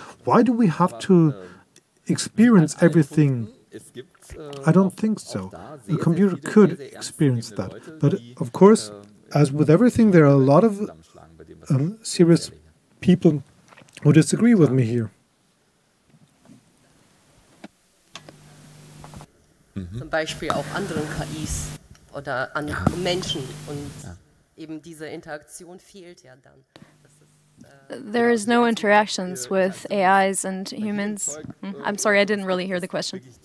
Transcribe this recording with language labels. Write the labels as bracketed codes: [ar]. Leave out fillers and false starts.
[en] Why do we have to experience everything? I don't think so. A computer could experience that. But of course, as with everything, there are a lot of serious people who disagree with me here. [de] Zum Beispiel auch anderen KIs oder an Menschen und eben diese Interaktion fehlt ja dann. [en] There is no interactions with AIs and humans. I'm sorry, I didn't really hear the question.